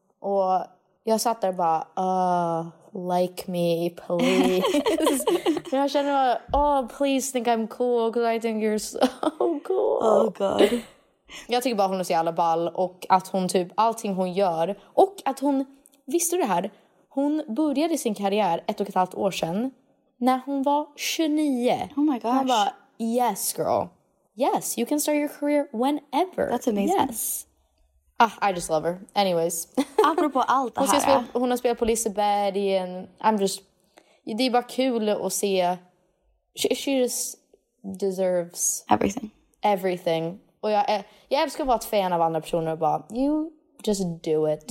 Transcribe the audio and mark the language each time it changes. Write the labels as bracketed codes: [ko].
[sv] Och jag satt där och bara, [en] like me, please. [sv] Jag kände bara, [en] oh, please think I'm cool, because I think you're so cool. Oh, God. [sv] Jag tycker bara hon är så jävla ball, och att hon typ, allting hon gör, och att hon, visste du det här? Hon började sin karriär 1,5 år sedan, när hon var 29. [en] Oh my gosh. [sv] Hon bara, [en] yes girl, yes, you can start your career whenever. That's amazing. Yes. Ah, I just love her. Anyways. [sv] Apropå allt det här. Hon har spelat på Liseberg, [en] and I'm just, [sv] det är bara kul att se, [en] she just deserves everything. Everything. [sv] Och jag älskar att vara ett fan av andra personer och bara, [en] you just do it.